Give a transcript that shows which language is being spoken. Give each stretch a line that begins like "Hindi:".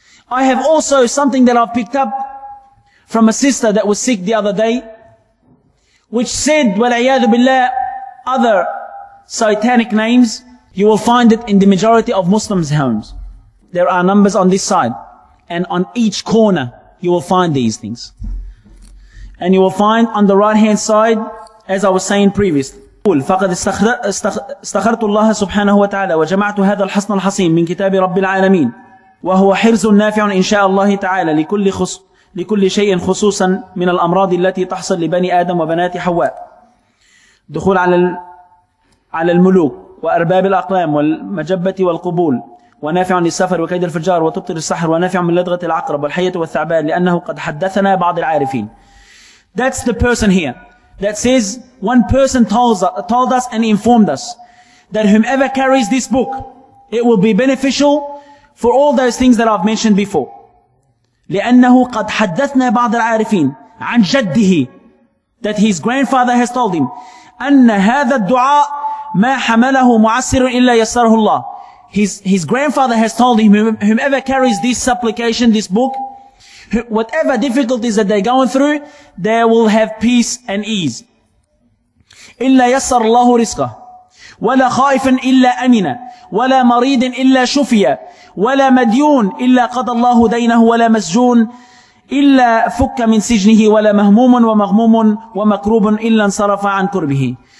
English: I have also something that I've picked up from a sister that was sick the other day, which said,
Arabic: وَلَعِيَاذُ بِاللَّهِ
English: other satanic names. You will find it in the majority of Muslims' homes. There are numbers on this side. And on each corner, you will find these things.
Arabic: And you will find on the right-hand side, as I was saying previously, قول فقد استخرت الله سبحانه وتعالى وجمعت هذا الحسن الحصين من كتاب رب العالمين وهو حرز نافع إن شاء الله تعالى لكل شيء خصوصا من الأمراض التي تحصل لبني آدم وبنات حواء دخول على الملوك وأرباب الأقلام والمجبة والقبول ونافع للسفر وكيد الفجار وتبطل السحر ونافع من لدغة العقرب والحية والثعبان لأنه قد حدثنا بعض العارفين.
English: That's the person here that says, one person told us and informed us that whomever carries this book, it will be beneficial for all those things that I've mentioned before.
Arabic: لِأَنَّهُ قَدْ حَدَّثْنَا بَعْضَ الْعَارِفِينَ عَنْ جَدِّهِ,
English: that his grandfather has told him,
Arabic: أَنَّ هَذَا الدُّعَاءَ مَا حَمَلَهُ مُعَسِّرٌ إِلَّا يَسَّرَهُ اللَّهُ.
English: His grandfather has told him, whomever carries this supplication, this book, whatever difficulties that they're going through, they will have peace and ease.
Arabic: إِلَّا يَسَّرَ اللَّهُ رِزْقَهُ وَلَا خَائِفًا إِلَّا أَمِنًا وَلَا مَرِيدٍ إِلَّا شُفِيًا وَلَا مَدْيُونَ إِلَّا قَضَى اللَّهُ دَيْنَهُ وَلَا مَسْجُونَ إِلَّا فُكَّ مِنْ سِجْنِهِ وَلَا مَهْمُومٌ وَمَغْمُومٌ وَمَكْرُوبٌ إِلَّا انْصَرَفَ عَنْ كُرْبِهِ.